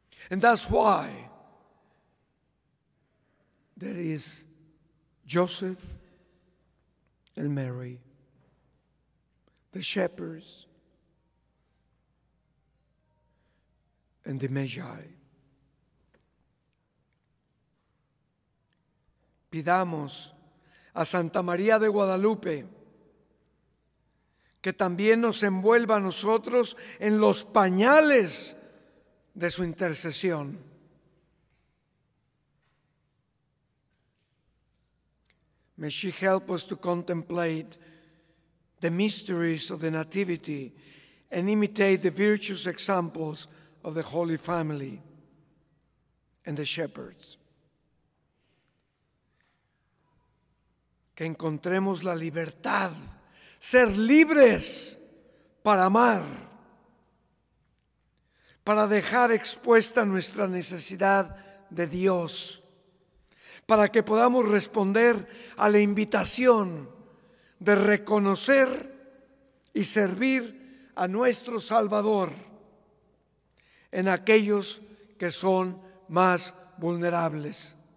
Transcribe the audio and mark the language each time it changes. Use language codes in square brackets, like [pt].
[en] And that's why there is Joseph and Mary, the shepherds, and the Magi. [es] Pidamos a Santa María de Guadalupe, que también nos envuelva a nosotros en los pañales de su intercesión. [en] May she help us to contemplate the mysteries of the Nativity and imitate the virtuous examples of the Holy Family and the shepherds. [es] Que encontremos la libertad, ser libres para amar, para dejar expuesta nuestra necesidad de Dios, para que podamos responder a la invitación de reconocer y servir a nuestro Salvador en aquellos que son más vulnerables.